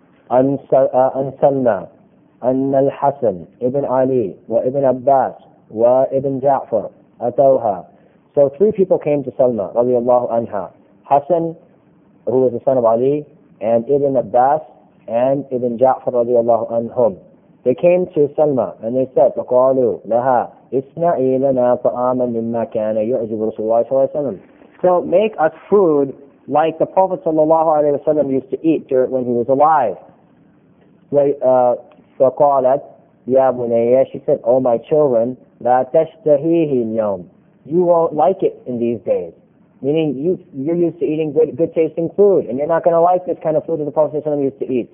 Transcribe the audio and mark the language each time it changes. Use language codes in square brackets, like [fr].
[ar] An Salma, an Al Hasan, Ibn Ali, wa Ibn Abbas, wa Ibn Ja'far, atawha. [en] So three people came to Salma, radiyallahu anha. Hasan, who was the son of Ali, and Ibn Abbas, and Ibn Ja'far, radiyallahu anhum. They came to Salma and they said, [ar] فَقَالُوا لَهَا إِسْنَعِي لَنَا طَعَامًا مِمَّا كَانَ يُعْجِبُ رَسُولُ اللَّهِ صَلَّى اللَّهُ عَلَيْهِ وَسَلَّمُ. [en] So make us food like the Prophet sallallahu alayhi wa sallam used to eat when he was alive. [ar] فَقَالَتْ يَا بُنَيَّ. [en] She said, oh my children, [ar] لَا تَشْتَهِيهِ الْيَوْمِ. [en] You won't like it in these days. Meaning you're used to eating good tasting food, and you're not going to like this kind of food that the Prophet sallallahu alayhi wa sallam used to eat.